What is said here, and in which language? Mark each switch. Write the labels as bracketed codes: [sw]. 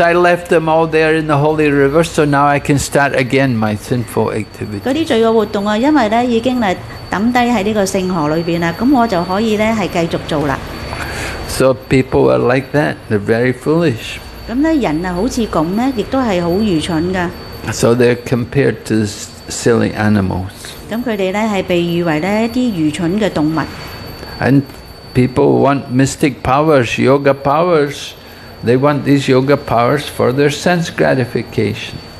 [en] I left them all there in the holy river, so now I can start again my sinful activities. [zh] 那些罪惡活動因為已經扔在這個聖河裡面,那我就可以繼續做了。 [en] So people are like that. They're very foolish. [zh] 人好像這樣,亦是很愚蠢的。 [en] So they're compared to silly animals. [zh] 他們被譽為一些愚蠢的動物。 [en] And people want mystic powers, yoga powers. They want these yoga powers for their sense gratification.